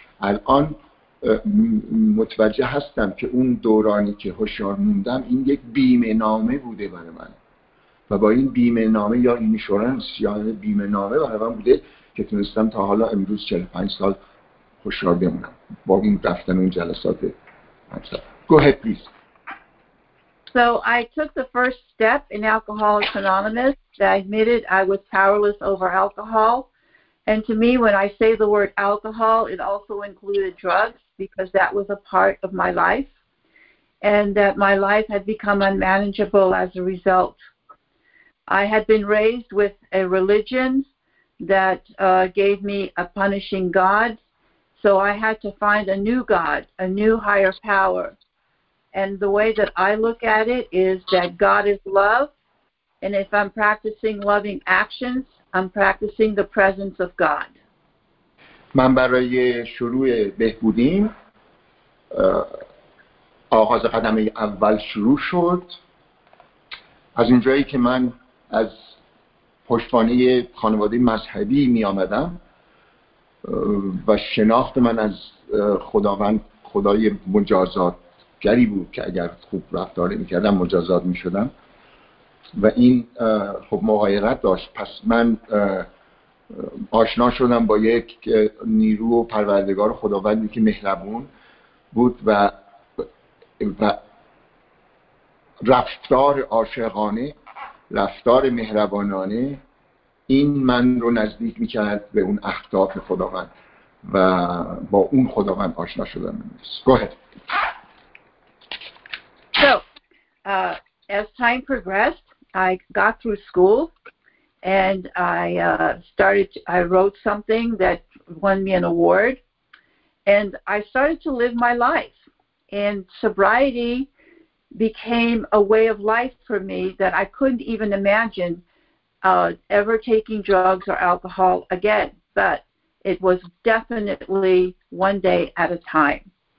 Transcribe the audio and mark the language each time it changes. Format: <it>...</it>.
<fa>الان متوجه هستم که اون دورانی که هوشیار موندم این یک بیمه نامه بوده برای من و با این بیمه نامه یا اینشورنس یا بیمه نامه برای من بوده که تونستم تا حالا امروز 45 سال خوشحال بمونم با این رفتن اون جلسات.</fa> <en>Go ahead, please. So I took the first step in Alcoholics Anonymous. I admitted I was powerless over alcohol. And to me, when I say the word alcohol, it also included drugs because that was a part of my life. And that my life had become unmanageable as a result. I had been raised with a religion that gave me a punishing God, so I had to find a new God, a new higher power. And the way that I look at it is that God is love, and if I'm practicing loving actions, I'm practicing the presence of God.</en> <fa>من برای شروع بهبودیم آغاز قدم اول شروع شد از اینجایی که من از پشتوانه خانواده مذهبی می آمدم و شناخت من از خداوند، خدای مجازاتگری بود که اگر خوب رفتار می کردم مجازات می شدم و این خب مغایرت داشت. پس من آشنا شدم با یک نیرو و پروردگار خداوندی که مهربون بود و رفتار عاشقانه، رفتار مهربانانه این من رو نزدیک میکرد به اون اهداف خداوند و با اون خداوند آشنا شدم.</fa> <en>Go ahead. So, as time progressed, I got through school and I wrote something that won me an award and I started to live my life. And sobriety became a way of life for me that I couldn't even imagine ever taking drugs or alcohol again, but it was definitely one day at a time.</en>